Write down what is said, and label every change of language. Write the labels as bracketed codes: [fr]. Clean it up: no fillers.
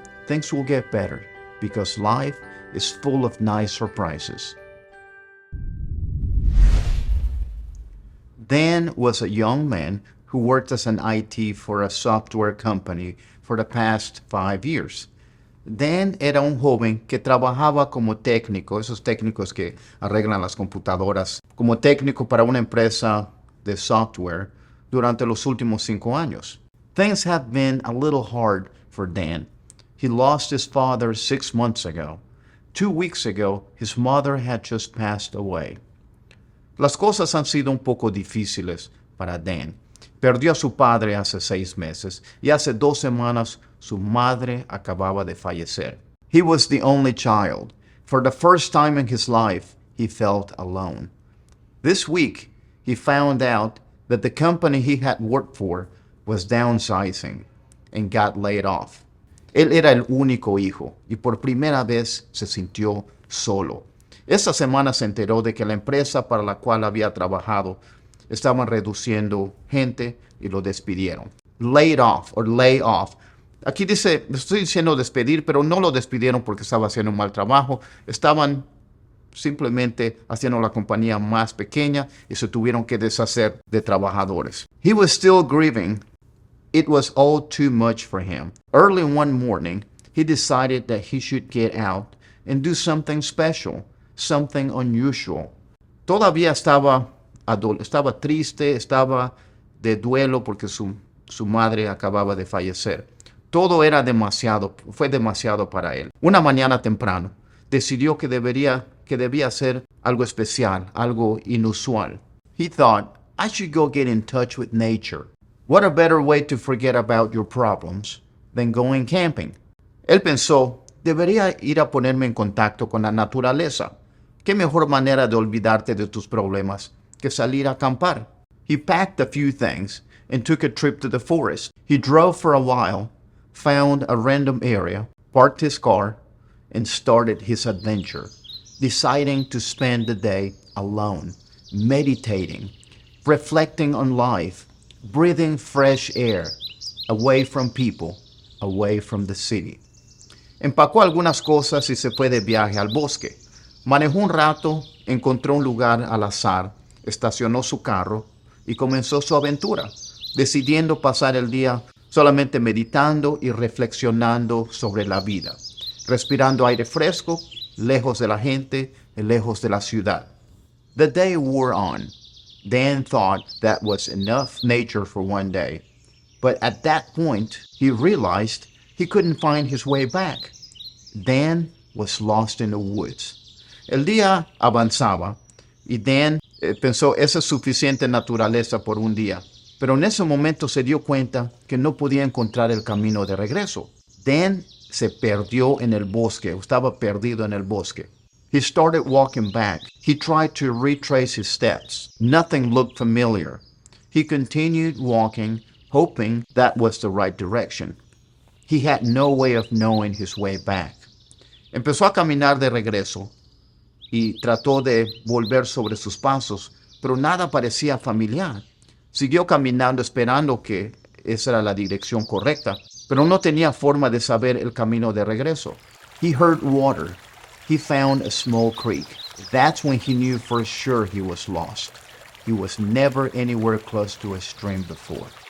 [en] Things will get better because life is full of nice surprises. Dan was a young man who worked as an IT for a software company for the past 5 years. [es] Dan era un joven que trabajaba como técnico, esos técnicos que arreglan las computadoras, como técnico para una empresa de software durante los últimos 5 años. [en] Things have been a little hard for Dan. He lost his father 6 months ago. 2 weeks ago, his mother had just passed away. [es] Las cosas han sido un poco difíciles para Dan. Perdió a su padre hace 6 meses y hace 2 semanas su madre acababa de fallecer. [en] He was the only child. For the first time in his life, he felt alone. This week, he found out that the company he had worked for was downsizing and got laid off. [es] Él era el único hijo y por primera vez se sintió solo. Esta semana se enteró de que la empresa para la cual había trabajado estaban reduciendo gente y lo despidieron. [en] Laid off or lay off. [es] Aquí dice, estoy diciendo despedir, pero no lo despidieron porque estaba haciendo un mal trabajo. Estaban simplemente haciendo la compañía más pequeña y se tuvieron que deshacer de trabajadores. [en] He was still grieving. It was all too much for him. Early one morning, he decided that he should get out and do something special, something unusual. [es] Todavía estaba triste, estaba de duelo porque su madre acababa de fallecer. Todo era demasiado, fue demasiado para él. Una mañana temprano, decidió que debía hacer algo especial, algo inusual. [en] He thought, I should go get in touch with nature. What a better way to forget about your problems than going camping. [es] Él pensó, debería ir a ponerme en contacto con la naturaleza. ¿Qué mejor manera de olvidarte de tus problemas que salir a acampar? [en] He packed a few things and took a trip to the forest. He drove for a while, found a random area, parked his car, and started his adventure, deciding to spend the day alone, meditating, reflecting on life, breathing fresh air, away from people, away from the city. [es] Empacó algunas cosas y se fue de viaje al bosque. Manejó un rato, encontró un lugar al azar, estacionó su carro y comenzó su aventura, decidiendo pasar el día solamente meditando y reflexionando sobre la vida, respirando aire fresco, lejos de la gente, lejos de la ciudad. [en] The day wore on. Dan thought that was enough nature for one day. But at that point, he realized he couldn't find his way back. Dan was lost in the woods. [es] El día avanzaba, y Dan pensó, esa es suficiente naturaleza por un día. Pero en ese momento se dio cuenta que no podía encontrar el camino de regreso. Dan se perdió en el bosque, estaba perdido en el bosque. [en] He started walking back. He tried to retrace his steps. Nothing looked familiar. He continued walking, hoping that was the right direction. He had no way of knowing his way back. [es] Empezó a caminar de regreso y trató de volver sobre sus pasos, pero nada parecía familiar. Siguió caminando esperando que esa era la dirección correcta, pero no tenía forma de saber el camino de regreso. [en] He heard water. He found a small creek. That's when he knew for sure he was lost. It was never anywhere close to a stream before.